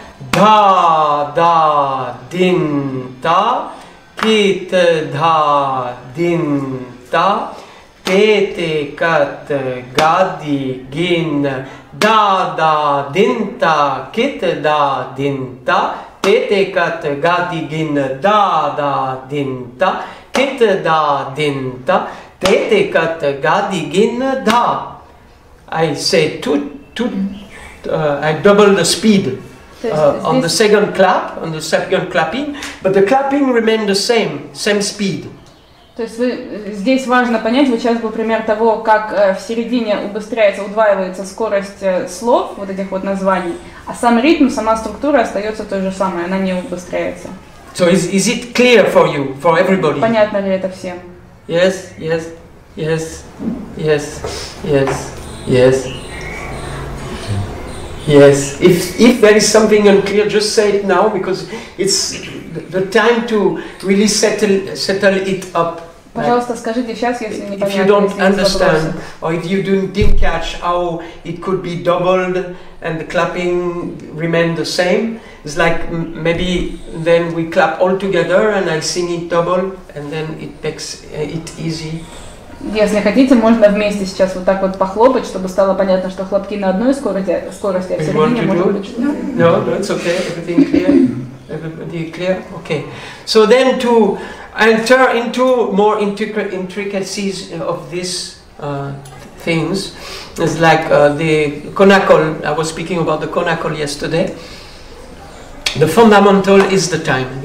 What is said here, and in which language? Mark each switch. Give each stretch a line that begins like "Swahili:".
English: Da da din ta kit da din ta te te kat gadi gin da da din ta kit da din ta te te kat gadi gin da da din ta kit da din ta te te kat gadi gin da. I say I double the speed. On the second clap, on the second clapping, but the clapping remained the same speed.
Russian: То есть здесь важно понять, вот сейчас был пример того, как в середине убыстряется, удваивается скорость слов, вот этих вот названий, а сам ритм, сама структура остается той же самой, она не убыстряется.
English: So is it clear for you, for everybody?
Russian: Понятно ли это всем?
English: Yes, yes, yes, yes, yes, yes. Yes, if there is something unclear, just say it now, because it's the time to really settle it up.
Russian: Пожалуйста, скажите сейчас, если не понятно.
English: If you don't understand, or if you didn't catch how it could be doubled and the clapping remained the same, it's like maybe then we clap all together and I sing it double and then it makes it easy.
Russian: Если хотите, можно вместе сейчас вот так вот похлопать, чтобы стало понятно, что хлопки на одной скорости, скорости, а в середине может быть.
English: No, it's okay. Everything clear? Everybody clear? Okay. So then to enter into more intricacies of these things, it's like the konakol. I was speaking about the konakol yesterday. The fundamental is the time.